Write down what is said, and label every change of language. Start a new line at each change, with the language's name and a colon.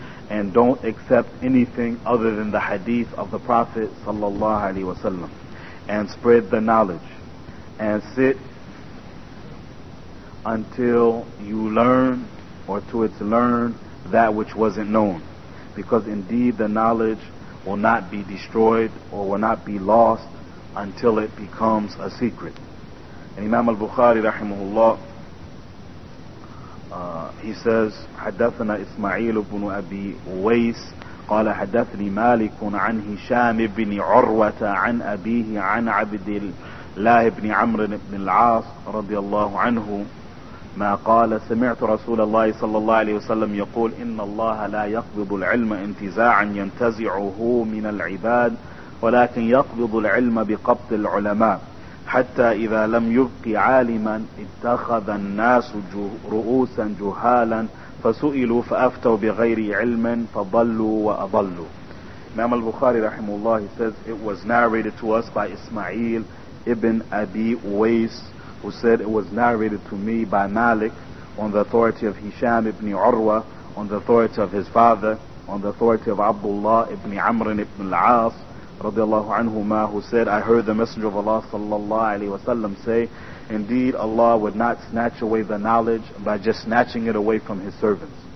English: And don't accept anything other than the hadith of the Prophet sallallahu alayhi wa sallam, and spread the knowledge and sit until you learn, or to it's learned, that which wasn't known. Because indeed the knowledge will not be destroyed or will not be lost until it becomes a secret. And Imam al-Bukhari rahimahullah, he says,
Arabic: حدثنا إسماعيل بن أبي ويس قال حدثني مالك عن هشام بن عروة عن أبيه عن عبد الله بن عمرو بن العاص رضي الله عنه ما قال سمعت رسول الله صلى الله عليه وسلم يقول إن الله لا يقبض العلم انتزاعا ينتزعه من العباد ولكن يقبض العلم بقبض العلماء حتى إذا لم يبق عالما اتخذ الناس رؤوسا جهالا فسئلوا فأفتوا بغير علم فضلوا وأضلوا.
English: Imam al-Bukhari rahimullah, he says, it was narrated to us by Ismail ibn Abi Uwais, who said, it was narrated to me by Malik on the authority of Hisham ibn Urwa, on the authority of his father, on the authority of Abdullah ibn Amr ibn al-As radiallahu anhuma, who said, I heard the Messenger of Allah sallallahu alayhi wa sallam say, indeed Allah would not snatch away the knowledge by just snatching it away from His servants.